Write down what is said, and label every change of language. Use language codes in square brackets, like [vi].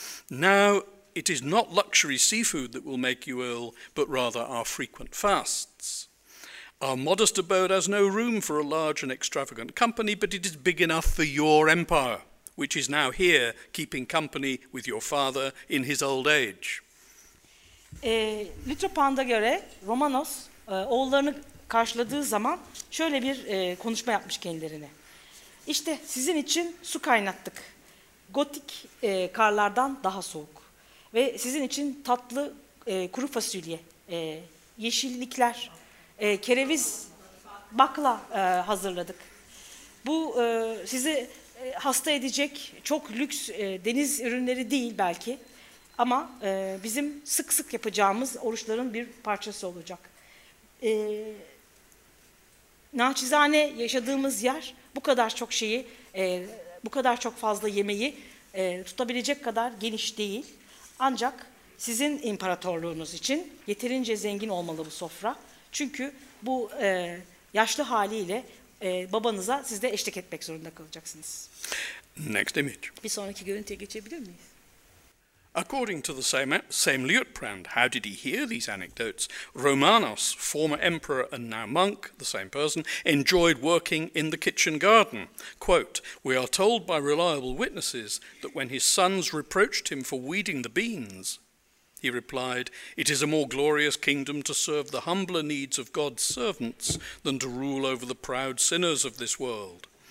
[en] Now it is not luxury seafood that will make you ill, but rather our frequent fasts. Our modest abode has no room for a large and extravagant company, but it is big enough for your empire, which is now here, keeping company with your father in his old age." [tr] Litropan'da göre Romanos oğullarını karşıladığı zaman şöyle bir konuşma yapmış kendilerine. "İşte sizin için su kaynattık. Gotik karlardan daha soğuk. Ve sizin için tatlı kuru fasulye, yeşillikler, kereviz, bakla hazırladık. Bu sizi hasta edecek çok lüks deniz ürünleri değil belki ama bizim sık sık yapacağımız oruçların bir parçası olacak. Naçizane yaşadığımız yer bu kadar çok şeyi, bu kadar çok fazla yemeği tutabilecek kadar geniş değil. Ancak sizin imparatorluğunuz için yeterince zengin olmalı bu sofra. Çünkü bu yaşlı haliyle babanıza siz de eşlik etmek zorunda kalacaksınız." [en] Next image. [tr] Bir sonraki görüntüye geçebilir miyiz? [en] According to the same Liutprand, how did he hear these anecdotes? Romanos, former emperor and now monk, the same person, enjoyed working in the kitchen garden. Quote, "We are told by reliable witnesses that when his sons reproached him for weeding the beans, he replied, 'It is a more glorious kingdom to serve the humbler needs of God's servants than to rule over the proud sinners of this world.'"